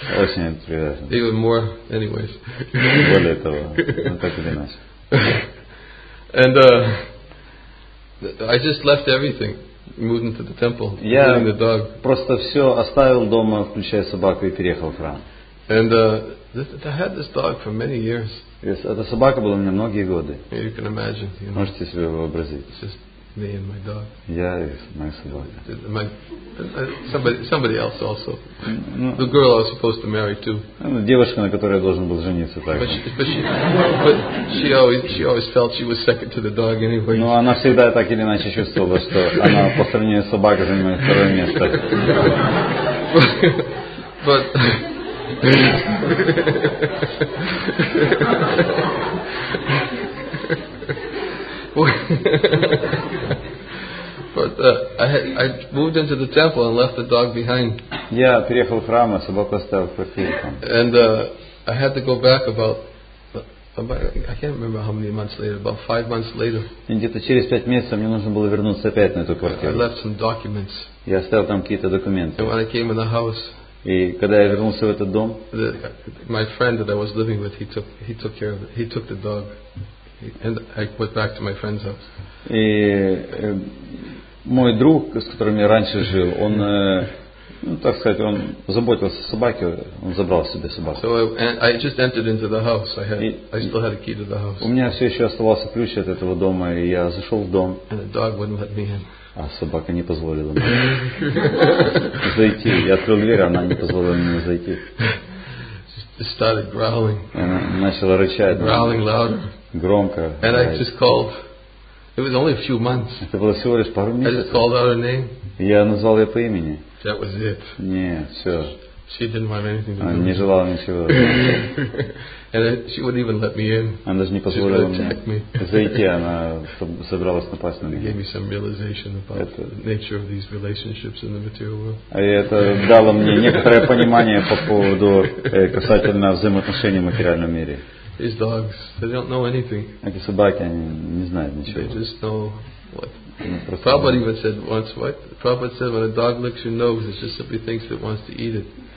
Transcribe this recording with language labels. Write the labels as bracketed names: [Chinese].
[Russian] Очень привязан. [English] Even more, anyways. [Russian] Более того, ну так или иначе. [English] And I just left everything. Moved into the temple, [Russian] я [English] the dog. [Russian] Просто все оставил дома, включая собаку, и переехал в храм. [English] And I had this dog for many years. [Russian] Эта собака была у меня многие годы. [English] You can imagine. You know, [Russian] можете себе вообразить. [English] It's just me and my dog. [Russian] Я и моя собака. [English] Somebody else also. No. The girl I was supposed to marry too. [Russian] Девушка, на которой я должен был жениться, так. [English] But she always felt she was second to the dog anyway. [Russian] Но она всегда так или иначе чувствовала, что она по сравнению с собакой занимает второе место. [English] But I moved into the temple and left the dog behind. [Russian] Я переехал в храм, а собаку оставил в квартире там. [English] And I had to go back about I can't remember how many months later, about 5 months later. [Russian] И где-то через 5 месяцев мне нужно было вернуться опять на эту квартиру. [English] I left some documents. [Russian] Я оставил там какие-то документы. [English] And when I came in the house. [Russian] И когда я вернулся в этот дом, [English] my friend that I was living with, he took the dog. And I went back to my friend's house. [Russian] И мой друг, с которым я раньше жил, он, ну, так сказать, он заботился о собаке, он забрал себе собаку. [English] So I just entered into the house. I still had a key to the house. [Russian] У меня все еще оставался ключ от этого дома, и я зашел в дом. [English] And the dog wouldn't let me in. [Russian] А собака не позволила мне зайти. Я открыл дверь, она не позволила мне зайти. [English] She started growling. [Russian] Она начала рычать. [English] Growling louder. [Russian] Громко. [English] And I just called. It was only a few months. [Russian] Это было всего лишь пару месяцев. [English] I just called out her name. [Russian] Я назвал ее по имени. [English] That was it. [Russian] Нет, все. [English] She didn't want anything to do. [Russian] Она не желала ничего. [English] And she wouldn't even let me in. [Russian] Она даже не позволила мне зайти. Она собиралась напасть на меня. [English] Gave me some realization about the nature of these relationships in the material world. [Russian] И это дало мне некоторое понимание по поводу касательно взаимоотношений в материальном мире. [English] These dogs, they don't know anything. [Russian] Эти собаки, они не знают ничего. [English] They just know what. Prabhupada even said once, what? Prabhupada said, when a dog licks your nose, it just simply thinks it wants to eat it.